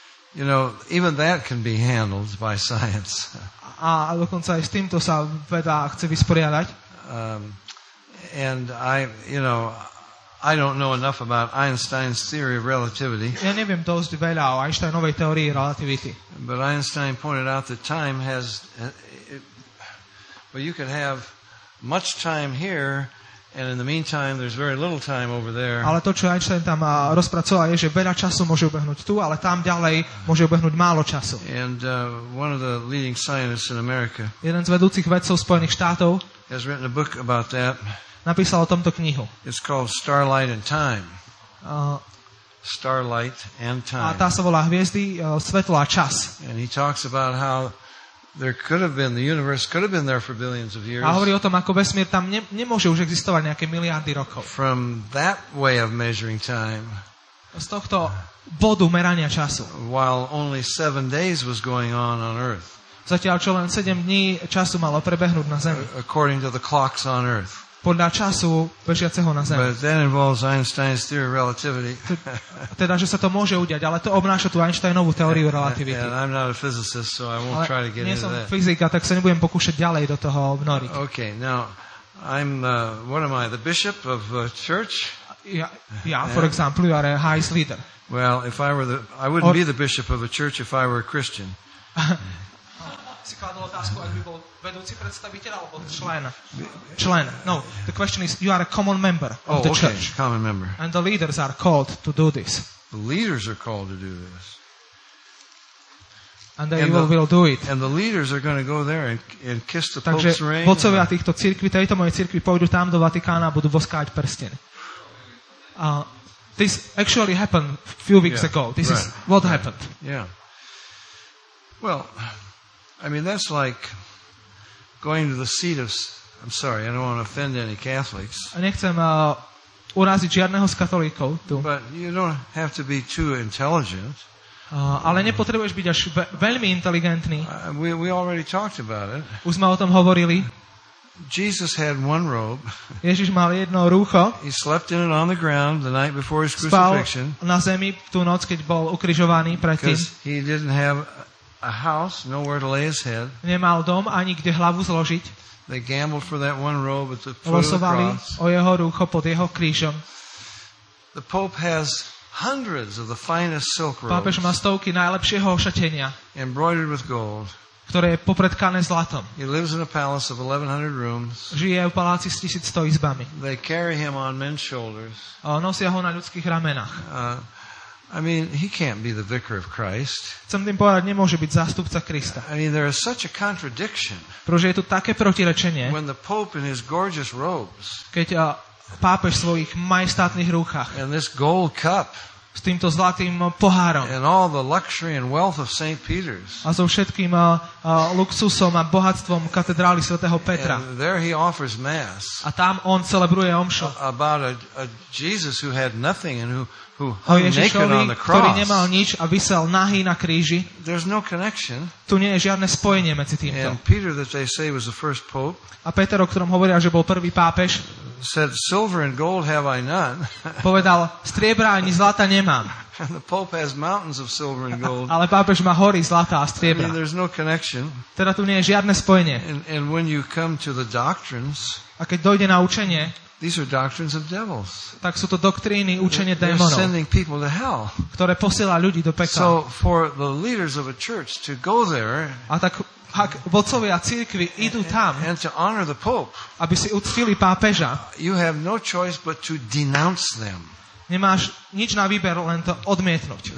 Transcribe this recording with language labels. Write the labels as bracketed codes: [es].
[en] You know, even that can be handled by science. [sk] A dokonca aj s týmto sa veda chce vysporiadať. [en] And I, you know, I don't know enough about Einstein's theory of relativity. [sk] Ja neviem dosť veľa o Einsteinovej teórii relativity. [en] But Einstein pointed out that time has you could have much time here and in the meantime there's very little time over there. [sk] Ale to, čo Einstein tam rozpracoval, je, že veľa času môže ubehnúť tu, ale tam ďalej môže ubehnúť málo času. [en] And one of the leading scientists in America. [sk] Jeden z vedúcich vedcov Spojených štátov [en] has written a book about that. [sk] Napísal o tomto knihu. [en] It's called Starlight and Time. Starlight and Time. [sk] A tá sa volá Hviezdy, svetlo a čas. [en] And he talks about how there could have been, the universe could have been there for billions of years. [sk] A hovorí o tom, ako vesmír tam nemôže už existovať nejaké miliardy rokov. [en] From that way of measuring time. [sk] Z tohto bodu merania času. [en] While only 7 days was going on Earth. [sk] Zatiaľ čo len 7 dní času malo prebehnúť na Zemi. [en] According to the clocks on Earth. [sk] Podľa času bežiaceho na Zemi. [en] But that involves Einstein's theory of relativity. [sk] Teda, že sa to môže udiať, ale to obnáša tú Einsteinovú teóriu relativity. [en] Yeah, I'm not a physicist, so I won't [sk] ale [en] try to get into that. [sk] Nie som fyzika, tak sa nebudem pokúšať ďalej do toho obnoriť. [en] Okay, now, I'm, what am I, the bishop of a church? Ja, for example, you are a highest leader. Well, if I were the, I wouldn't be the bishop of a church if I were a Christian. [sk] Si kladol otázku, ak by bol vedúci predstaviteľ alebo člen. [en] No, the question is, you are a common member of the church. Okay, common member. And the leaders are called to do this. The leaders are called to do this. And they will do it. And the leaders are going to go there and kiss the Pope's ring. [sk] Takže vodcovia týchto cirkví, tejto mojej cirkvi, pôjdu tam do Vatikána a budú voskať prsten. [en] This actually happened a few weeks ago. This is what happened. Yeah. Well, I mean, that's like going to the seat of, I'm sorry, I don't want to offend any Catholics. [sk] A nechcem uraziť žiadneho z katolíkov tu. [en] But you don't have to be too intelligent. [sk] Ale nepotrebuješ byť až veľmi inteligentný. [en] We already talked about it. [sk] Už sme o tom hovorili. [en] Jesus had one robe. [sk] Ježiš mal jedno rúcho. [en] He slept in it on the ground the night before his crucifixion. [sk] Spal na zemi tú noc, keď bol ukrižovaný predtým. [en] Because he didn't have a house, nowhere to lay his head. [sk] Nemal dom ani kde hlavu zložiť. [en] They gambled for that one robe at the foot of the [sk] Losovali o jeho rúcho pod jeho krížom. [en] The Pope has hundreds of the finest silk robes. [sk] Pápež má stovky najlepšieho ošatenia. [en] Embroidered with gold. [sk] Ktoré je popretkané zlatom. [en] He lives in a palace of 1100 rooms. [sk] Žije v paláci s 1100 izbami. [en] They carry him on men's shoulders. [sk] Nosia ho na ľudských ramenách. [en] I mean, he can't be the vicar of Christ. [sk] Chcem tým povedať, nemôže byť zástupca Krista. [en] I mean, there is such a contradiction. [sk] Pretože je tu také protirečenie. [en] When the Pope in his gorgeous robes. [sk] Keď pápež v svojich majestátnych rúchach. [en] And this gold cup. [sk] S týmto zlatým pohárom. [en] And all the luxury and wealth of St. Peter's. [sk] A so všetkým luxusom a bohatstvom katedrály svätého Petra. [en] And there he offers mass. [sk] A tam on celebruje omšu. [en] About a Jesus who had nothing and who hung naked on the cross. [sk] Ktorý nemal nič a visel nahý na kríži. [en] There's no connection. [sk] Tu nie je žiadne spojenie medzi týmto. [en] And Peter, that they say was the first pope, [sk] a Peter, o ktorom hovoria, že bol prvý pápež, [en] said, silver and gold have I none. [sk] Povedal, striebra ani zlata nemám. [en] And the pope has mountains of silver and gold. [sk] Ale pápež má hory zlata a striebra. [en] I mean, there's no connection. [sk] Teda tu nie je žiadne spojenie. [en] And when you come to the doctrines, [sk] a keď dojde na učenie, [en] these are doctrines of devils. [sk] Tak sú to doktríny, učenie démonov. [en] They're sending people to hell. [sk] Ktoré posiela ľudí do pekla. [en] So for the leaders of a church to go there. [sk] A tak ak vodcovia cirkvi idú tam. [en] And to honor the pope. [sk] Aby si uctili pápeža. [en] You have no choice but to denounce them. [sk] Nemáš nič na výber, len to odmietnúť.